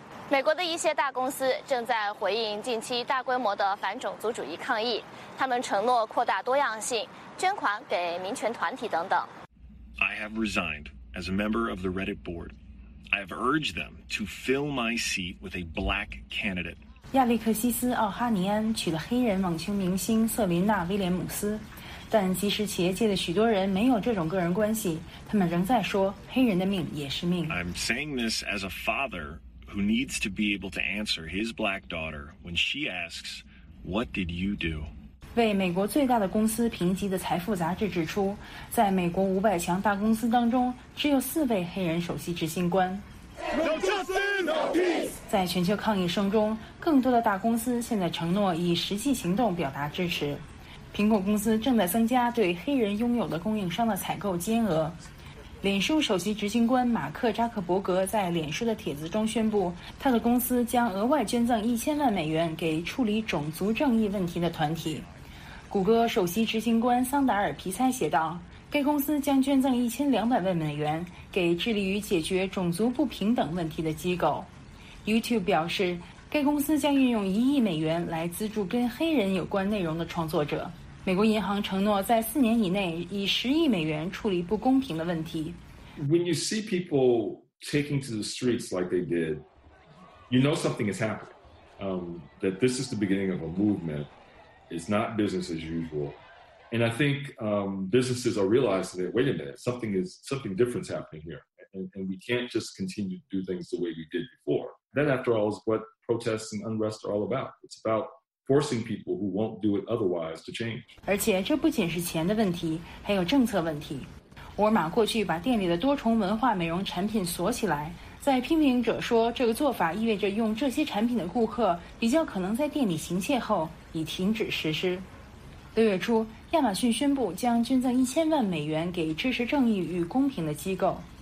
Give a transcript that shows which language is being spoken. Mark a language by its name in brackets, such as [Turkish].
[Chinese] 美国的一些大公司正在回应近期大规模的反种族主义抗议，他们承诺扩大多样性，捐款给民权团体等等。 [English] I have resigned as a member of the Reddit board. I have urged them to fill my seat with a black candidate. [Chinese] 亚历克西斯·奥哈尼安娶了黑人网球明星瑟琳娜·威廉姆斯，但即使企业界的许多人没有这种个人关系，他们仍在说黑人的命也是命。 [English] I'm saying this as a father. who needs to be able to answer his black daughter when she asks, "What did you do?" [Chinese] 为美国最大的公司评级的财富杂志指出，在美国五百强大公司当中，只有四位黑人首席执行官。 [English] No justice, no peace。 [Chinese] 在全球抗议声中，更多的大公司现在承诺以实际行动表达支持。苹果公司正在增加对黑人拥有的供应商的采购金额。脸书首席执行官马克扎克伯格在脸书的帖子中宣布，他的公司将额外捐赠$1,000,000给处理种族正义问题的团体。谷歌首席执行官桑达尔皮塞写道，该公司将捐赠$1,200,000给致力于解决种族不平等问题的机构。 YouTube 表示，该公司将运用$1亿来资助跟黑人有关内容的创作者。美国银行承诺在四年以内以$10亿处理不公平的问题。 [English] When you see people taking to the streets like they did, you know something is happening. That this is the beginning of a movement. It's not business as usual. And I think businesses are realizing that, wait a minute, something different is happening here. And we can't just continue to do things the way we did before. That, after all, is what protests and unrest are all about. It's about forcing people who won't do it otherwise to change. [Chinese] 而且这不仅是钱的问题，还有政策问题。沃尔玛过去把店里的多重文化美容产品锁起来，在批评者说这个做法意味着用这些产品的顾客比较可能在店里行窃后已停止实施。六月初，亚马逊宣布将捐赠$1,000,000给支持正义与公平的机构。